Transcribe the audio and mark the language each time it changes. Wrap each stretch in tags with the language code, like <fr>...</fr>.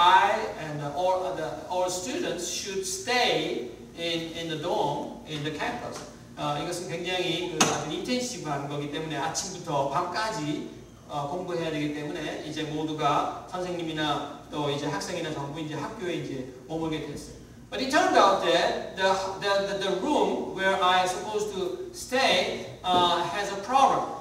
<en>So all students should stay in the dorm in the campus.</en> <ko>이것은 굉장히 아주 intensive한 거기 때문에 아침부터 밤까지. 공부해야 되기 때문에 이제 모두가 선생님이나 또 이제 학생이나 전부 이제 학교에 이제 머물게 됐어요.</ko> <en>But it turned out that the room where I supposed to stay has a problem.</en>